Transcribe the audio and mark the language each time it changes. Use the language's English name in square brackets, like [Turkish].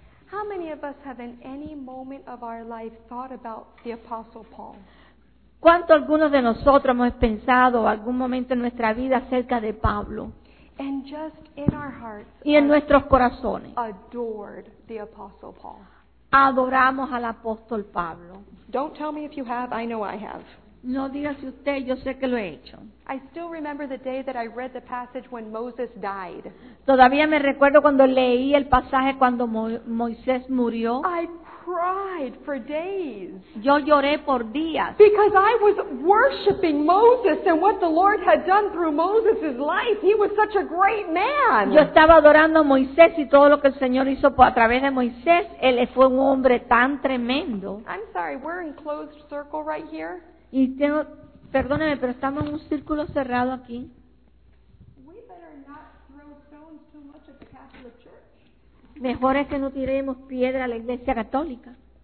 [English] How many of us have in any moment of our life thought about the Apostle Paul? [Spanish] ¿Cuánto algunos de nosotros hemos pensado algún momento en nuestra vida acerca de Pablo? [English] And just in our hearts. [Spanish] Y en nuestros corazones. [English] Adored the Apostle Paul. [Spanish] Adoramos al apóstol Pablo. [English] Don't tell me if you have, I know I have. [Spanish] No diga si usted, yo sé que lo he hecho. [English] I still remember the day that I read the passage when Moses died. [Spanish] Todavía me recuerdo cuando leí el pasaje cuando Moisés murió. [English] I cried for days. [Spanish] Yo lloré por días. [English] Because I was worshiping Moses and what the Lord had done through Moses' life. He was such a great man. [Spanish] Yo estaba adorando a Moisés y todo lo que el Señor hizo a través de Moisés. Él fue un hombre tan tremendo. [English] I'm sorry, we're in closed circle right here. [Spanish] Y tengo, perdóneme, pero estamos en un círculo cerrado aquí. [English] We better not throw stones too much at the Catholic Church. [Spanish] Mejor es que no tiremos piedra a la Iglesia Católica.